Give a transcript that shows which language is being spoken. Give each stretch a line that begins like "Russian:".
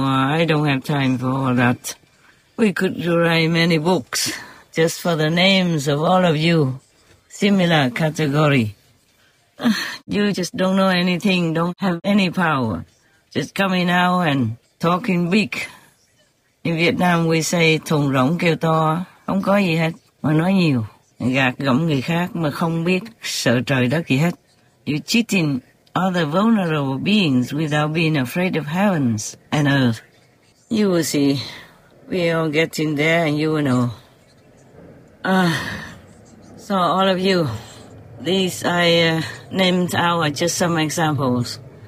English: I don't have time for all that. We could write many books just for the names of all of you, similar category. You just don't know anything, don't have any power. Just coming out and talking big. In Vietnam, we say,
Vietnamese: thùng rỗng kêu to, không có gì hết, mà nói nhiều. Gạt gẫm người khác mà không biết sợ trời đất gì hết.
English: You cheating other vulnerable beings without being afraid of heavens and earth. You will see. We all get in there and you will know. So all of you, these I named out are just some examples.